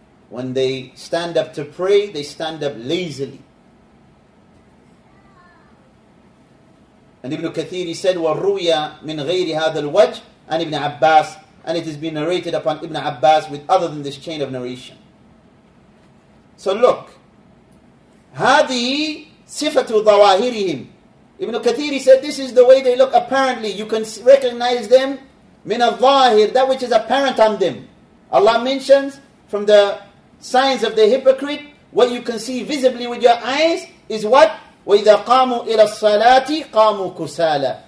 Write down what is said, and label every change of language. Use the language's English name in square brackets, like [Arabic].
[English] When they stand up to pray, they stand up lazily. And Ibn Kathir, he said, [Arabic] وَالرُّوِيَ مِنْ غَيْرِ هَذَا الْوَجْهِ. [English] And Ibn Abbas, and it has been narrated upon Ibn Abbas with other than this chain of narration. So look, [Arabic] هَذِهِ صِفَةُ ظَوَاهِرِهِمْ. [English] Ibn Kathir, he said, this is the way they look apparently. You can recognize them, [Arabic] مِنَ الظَّاهِرِ, [English] that which is apparent on them. Allah mentions from the signs of the hypocrite, what you can see visibly with your eyes is what? [Arabic] وَإِذَا قَامُوا إِلَى الصَّلَاةِ قَامُوا كُسَالًا.